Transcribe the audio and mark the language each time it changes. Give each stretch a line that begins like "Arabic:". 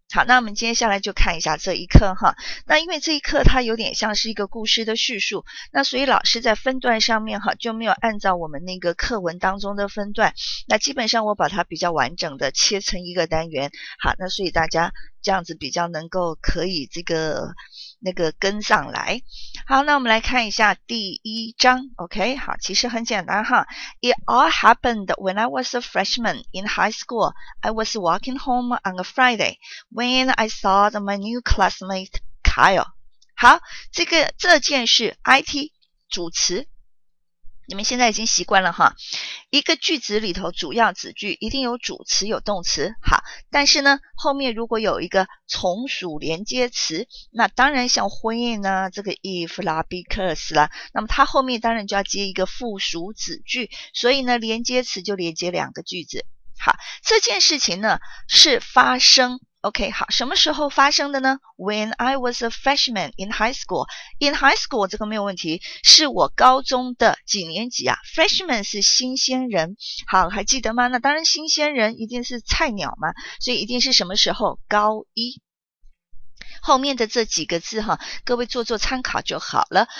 Chinese: 好，那我们接下来就看一下这一课哈。那因为这一课它有点像是一个故事的叙述，那所以老师在分段上面哈就没有按照我们那个课文当中的分段，那基本上我把它比较完整的切成一个单元。好，那所以大家这样子比较能够可以这个那个跟上来。好，那我们来看一下第一章 ,OK, 好，其实很简单哈。
English: It all happened when I was a freshman in high school. I was walking home on a Friday when I saw my new classmate Kyle.
Chinese: 好，这件事 ,IT, 主词。你们现在已经习惯了哈，一个句子里头主要子句一定有主词有动词，好，但是呢后面如果有一个从属连接词，那当然像 when 啊这个 if 啦 because 啦，那么它后面当然就要接一个附属子句，所以呢连接词就连接两个句子。好，这件事情呢是发生 OK, 好，什么时候发生的呢？
English: When I was a freshman in high school. In high school
Chinese: 这个没有问题，是我高中的几年级啊。 Freshman 是新鲜人，好，还记得吗？那当然新鲜人一定是菜鸟嘛，所以一定是什么时候？高一。后面的这几个字哈，各位做做参考就好了。